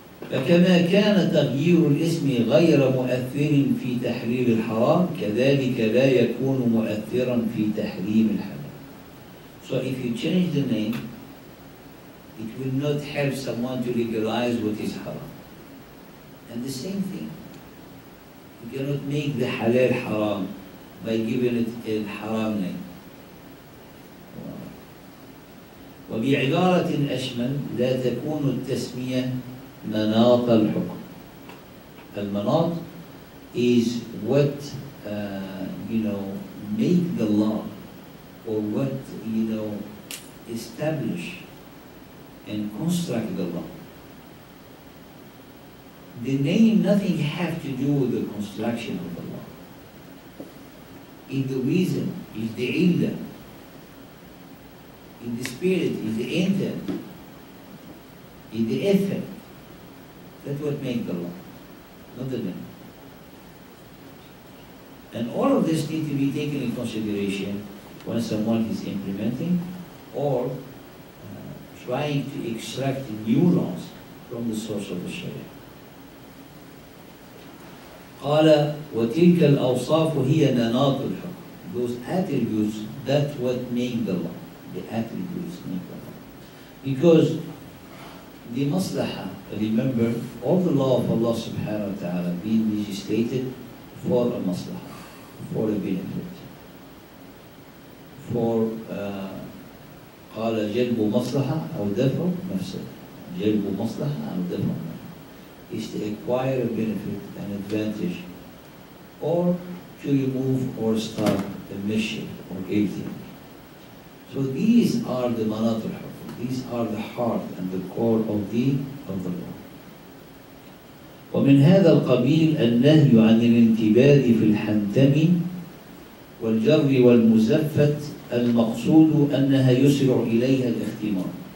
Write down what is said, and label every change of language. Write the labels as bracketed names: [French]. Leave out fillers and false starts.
[Arabic] فكما كان تغيير الاسم غير مؤثر في تحريم الحرام كذلك لا يكون مؤثرا في تحريم الحلال. [English] So if you change the name, it will not help someone to legalize what is haram. And the same thing, you cannot make the halal haram by giving it a haram name. [Arabic] وبعبارة أشمل لا تكون التسمية مناط الحكم. [English] المناط is what you know make the law, or what you know establish and construct the law. The name nothing have to do with the construction of the law. In the reason is the illa. In the spirit is the intent. In the effect. That's what made the law, not the name. And all of this need to be taken in consideration when someone is implementing or trying to extract new laws from the source of the Sharia. [Arabic] قال وتلك الأوصاف هي مناط الحكم. [English] Those attributes, that's what made the law. The attributes made the law. Because the maslaha, remember, all the law of Allah subhanahu wa ta'ala being legislated for a maslaha, for a benefit. For, [Arabic] قَالَ جَلْبُ مَصْلَحَ أَوْ دَفْعُ مَفْسَدَ. جَلْبُ مَصْلَحَ أَوْ دَفْعُ مَفْسَدَ [English] is to acquire a benefit, an advantage, or to remove or start a mission or anything. So these are the manatul hukm. These are the heart and the core of the law. [Arabic] ومن هذا القبيل النهي عن الانتباه في الحنتم والجر والمزفت المقصود أنها يسرع إليها الاختمار.